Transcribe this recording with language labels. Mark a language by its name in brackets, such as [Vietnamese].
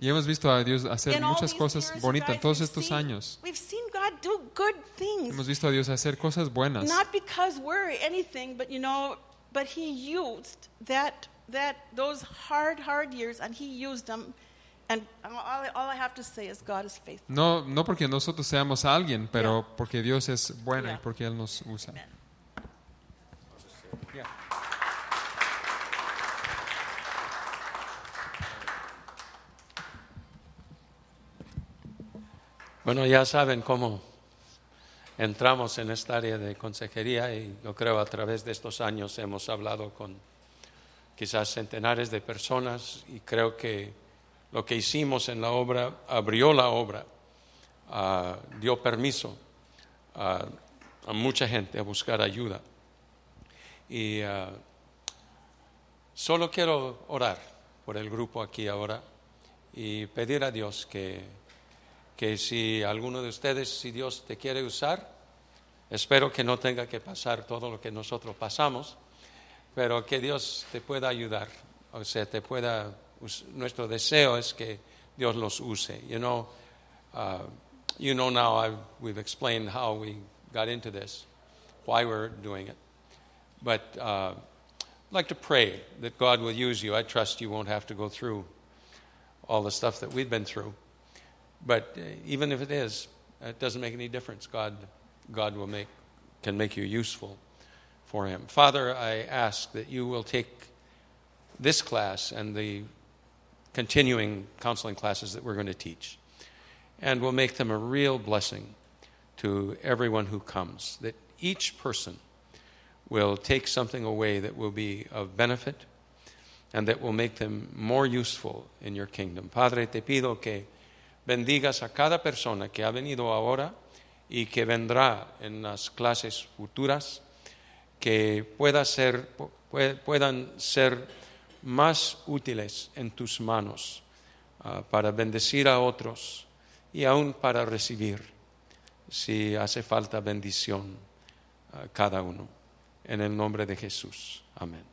[Spanish] Y hemos visto a Dios hacer muchas cosas bonitas todos estos años. [English] We've seen God do good things. [Spanish] Hemos visto a Dios hacer cosas buenas. [English] Not because we're anything, but you know, but He used that those hard years, and He used them. And all I have to say is God is faithful. [Spanish] No porque nosotros seamos alguien, pero porque Dios es bueno y porque Él nos usa. Amen. [English] Yeah. [Spanish] Bueno, ya saben cómo entramos en esta área de consejería y yo creo a través de estos años hemos hablado con quizás centenares de personas y creo que lo que hicimos en la obra abrió la obra, dio permiso a mucha gente a buscar ayuda. Y solo quiero orar por el grupo aquí ahora y pedir a Dios que si alguno de ustedes, si Dios te quiere usar, espero que no tenga que pasar todo lo que nosotros pasamos, pero que Dios te pueda ayudar, o sea, te pueda, nuestro deseo es que Dios los use. [English] You know now we've explained how we got into this, why we're doing it, but I'd like to pray that God will use you. I trust you won't have to go through all the stuff that we've been through. But even if it is, it doesn't make any difference. God will can make you useful for him. Father, I ask that you will take this class and the continuing counseling classes that we're going to teach and will make them a real blessing to everyone who comes, that each person will take something away that will be of benefit and that will make them more useful in your kingdom. [Spanish] Padre, te pido que bendigas a cada persona que ha venido ahora y que vendrá en las clases futuras, que puedan ser más útiles en tus manos para bendecir a otros y aún para recibir, si hace falta bendición, cada uno. En el nombre de Jesús. Amén.